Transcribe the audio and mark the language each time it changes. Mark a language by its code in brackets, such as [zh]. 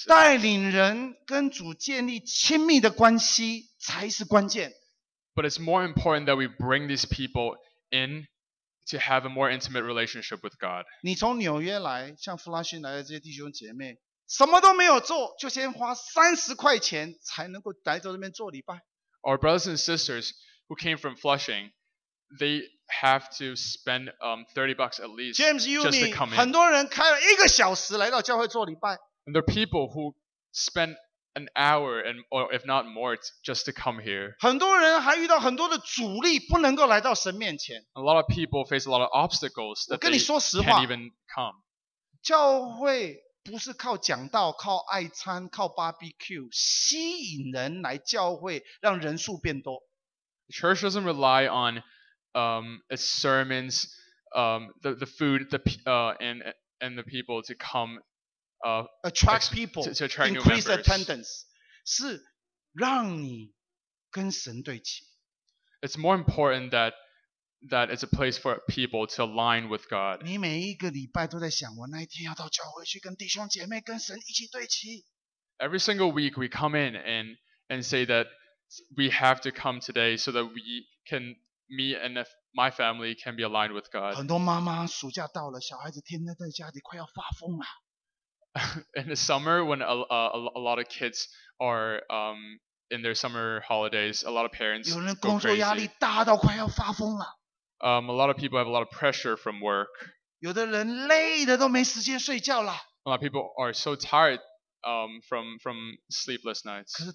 [zh] 可是带领人跟主建立亲密的关系才是关键。 [en] But it's more important that we bring these people in. To have a more intimate relationship with God. [zh] 你从纽约来，像弗拉逊来的这些弟兄姐妹，什么都没有做，就先花$30才能够来到这边做礼拜。 [en] Our brothers and sisters who came from Flushing, they have to spend $30 at least James, just to come in. [zh] James, 很多人开了一个小时来到教会做礼拜。 [en] And there are people who spend an hour and or if not more just to come here. [zh] 很多人还遇到很多的阻力不能够来到神面前。 [en] A lot of people face a lot of obstacles that they can't even come. [zh] 教会不是靠讲道靠爱餐靠 barbecue 吸引人来教会让人数变多。 [en] Church doesn't rely on its sermons, the food, and the people to comeattract people, to increase attendance, [zh] 是让你跟神对齐。 [en] It's more important that it's a place for people to align with God. [zh] 你每一个礼拜都在想，我那一天要到教会去跟弟兄姐妹跟神一起对齐。 [en] Every single week we come in and say that we have to come today so that we can meet and if my family can be aligned with God. [zh] 很多妈妈暑假到了，小孩子天天在家里快要发疯了。 [en] In the summer, when a lot of kids are in their summer holidays, a lot of parents go crazy. A lot of people have a lot of pressure from work. A lot of people are so tired from sleepless nights.